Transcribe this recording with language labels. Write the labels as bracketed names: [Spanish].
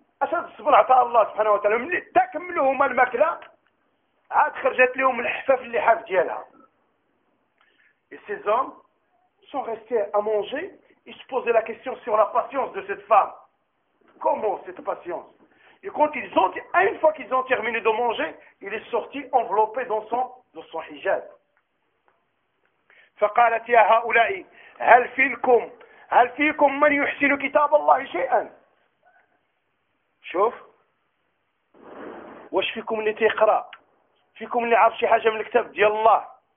[Arabic] أشد الصبر عطاء الله سبحانه وتعالى ملي تكملوا هما الماكلة عاد خرجت لهم الحفاف اللي حاف ديالها. [French] Et ces hommes sont restés à manger. Ils se posaient la question sur la patience de cette femme. Comment cette patience? Et quand ils ont, une fois qu'ils ont terminé de manger, il est sorti enveloppé dans son, hijab. [Arabic] فقالت يا هؤلاء هل فيكم من يحسن كتاب الله شيئا؟ شوف واش فيكم اللي تقرا فيكم اللي عارف شي حاجه من الكتاب ديال الله؟